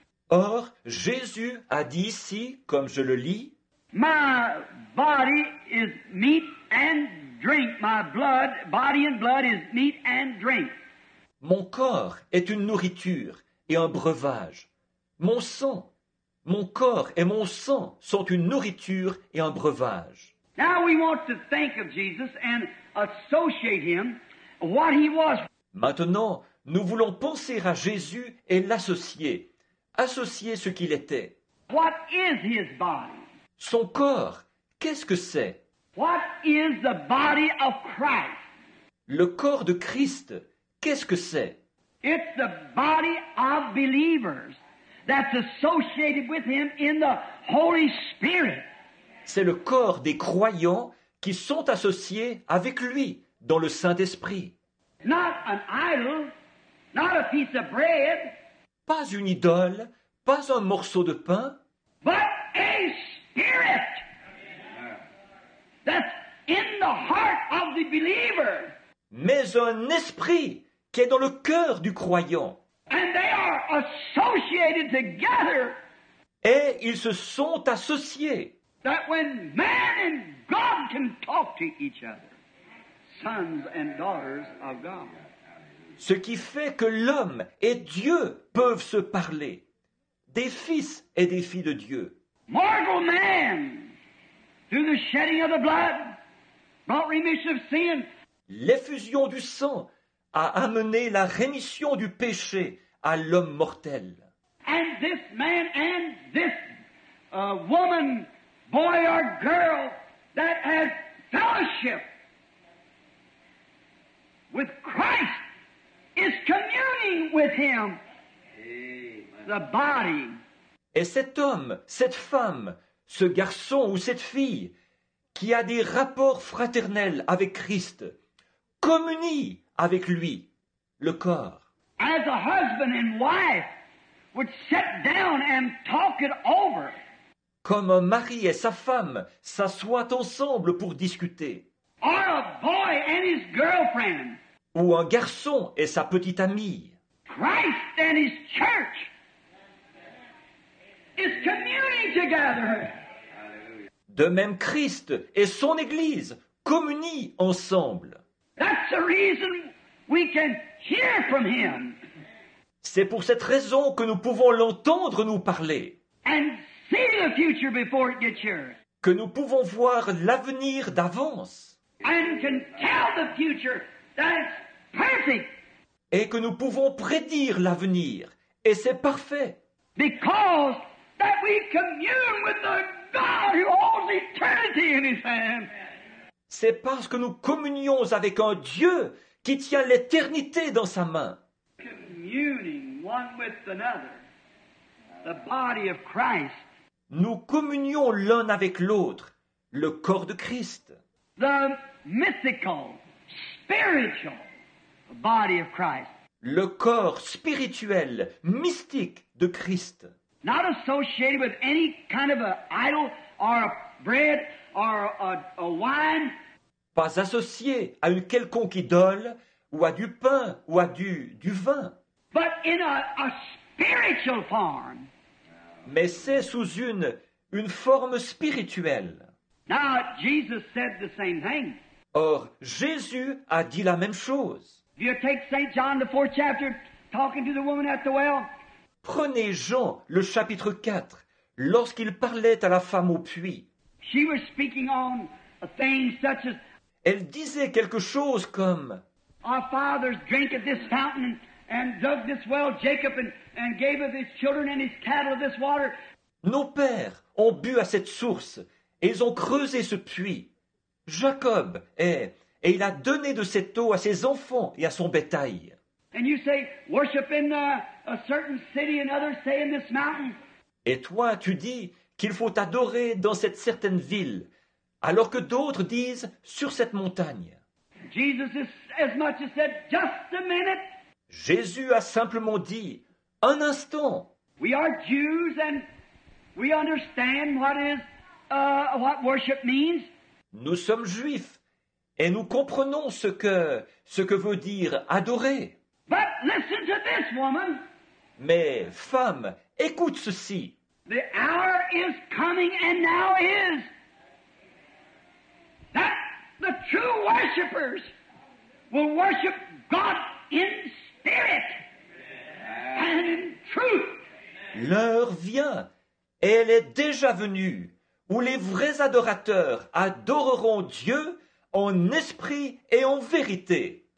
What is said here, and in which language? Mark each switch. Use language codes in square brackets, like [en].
[fr] or, Jésus a dit ici, comme je le lis, [en] my body is meat and drink. My blood, body and blood is meat and drink. [fr] Mon corps est une nourriture et un breuvage. Mon sang, mon corps et mon sang sont une nourriture et un breuvage. [en] Now we want to think of Jesus and associate him what he was. [fr] Maintenant, nous voulons penser à Jésus et l'associer. Associer ce qu'il était. [en] What is his body? [fr] Son corps, qu'est-ce que c'est? [en] What is the body of Christ? [fr] Le corps de Christ, qu'est-ce que c'est? [en] It's the body of believers that's associated with him in the Holy Spirit. [fr] C'est le corps des croyants qui sont associés avec lui dans le Saint-Esprit. [en] Not an idol, not a piece of bread, [fr] pas une idole, pas un morceau de pain, [en] but a spirit that's in the heart of the believer. [fr] Mais un esprit qui est dans le cœur du croyant. [en] And they are associated together. [fr] Et ils se sont associés. [en] That when man and God can talk to each other, sons and daughters of God. [fr] Ce qui fait que l'homme et Dieu peuvent se parler, des fils et des filles de Dieu. [en] Mortal man, through the shedding of the blood, brought remission of sin. [fr] L'effusion du sang a amené la rémission du péché à l'homme mortel. [en] And this man and this woman, boy or girl that has fellowship with Christ is communing with him. Amen. The body. [fr] Et cet homme, cette femme, ce garçon ou cette fille qui a des rapports fraternels avec Christ communie avec lui, le corps. [en] As a husband and wife would sit down and talk it over. [fr] Comme un mari et sa femme s'assoient ensemble pour discuter. [en] Or a boy and his girlfriend. [fr] Ou un garçon et sa petite amie. [en] Christ and his church is communing together. [fr] De même, Christ et son Église communient ensemble. [en] That's the reason we can hear from him. [fr] C'est pour cette raison que nous pouvons l'entendre nous parler. [en] And see the future before it gets here. [fr] Que nous pouvons voir l'avenir d'avance. [en] And can tell the future that it's perfect. [fr] Et que nous pouvons prédire l'avenir. Et c'est parfait. [en] Because that we commune with the God who holds eternity in his hand. [fr] C'est parce que nous communions avec un Dieu qui tient l'éternité dans sa main. [en] Communing one with another, the body of Christ. [fr] Nous communions l'un avec l'autre, le corps de Christ. [en] The mythical, spiritual body of Christ. [fr] Le corps spirituel, mystique de Christ. [en] Not associated with any kind of a idol or a bread or a wine. [fr] Pas associé à une quelconque idole ou à du pain ou à du vin. [en] But in a spiritual form. [fr] Mais c'est sous une forme spirituelle. [en] Now, Jesus said the same thing. [fr] Or, Jésus a dit la même chose. [en] You take Saint John, the fourth chapter, talking to the woman at the well. [fr] Prenez Jean, le chapitre 4, lorsqu'il parlait à la femme au puits. [en] She was speaking on a thing such as, [fr] elle disait quelque chose comme [en] our fathers drank at this fountain and dug this well, Jacob, and gave of his children and his cattle this water. [fr] Nos pères ont bu à cette source et ils ont creusé ce puits. Jacob est. Et il a donné de cette eau à ses enfants et à son bétail. [en] And you say, worship in a certain city, and others say in this mountain. [fr] Et toi, tu dis qu'il faut adorer dans cette certaine ville, alors que d'autres disent sur cette montagne. [en] Jesus is as much as said, just a minute. [fr] Jésus a simplement dit, un instant. [en] We are Jews and we understand what is what worship means. [fr] Nous sommes juifs. Et nous comprenons ce que veut dire adorer. [en] But listen to this woman. [fr] Mais femme, écoute ceci. [en] The hour is coming and now is. That the true worshipers will worship God in spirit and in truth. [fr] L'heure vient et elle est déjà venue où les vrais adorateurs adoreront Dieu en esprit et en vérité.